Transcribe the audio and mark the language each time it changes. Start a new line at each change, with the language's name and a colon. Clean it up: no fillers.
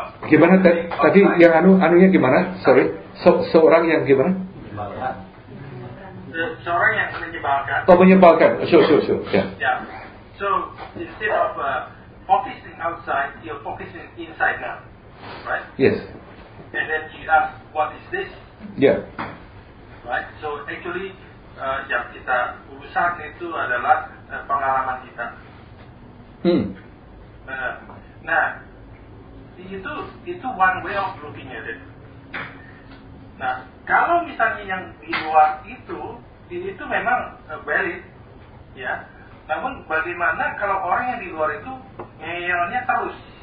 Indonesian: gimana tadi yang anunya gimana?
English: Sorry.
Indonesian: Seorang yang gimana? Menyebalkan. Seorang yang menyebalkan.
English: Sure. Yeah. So instead of focusing outside, you're focusing inside now, right? Yes. And then you ask, what is this? Yeah. Right. So actually,
Indonesian: yang kita urusan itu adalah pengalaman kita. Hmm. Nah, itu
English: one way of looking at it.
Indonesian: Nah, kalau misalnya yang di luar itu memang valid, ya. Namun bagaimana kalau orang yang di luar itu ngeyelnya terus?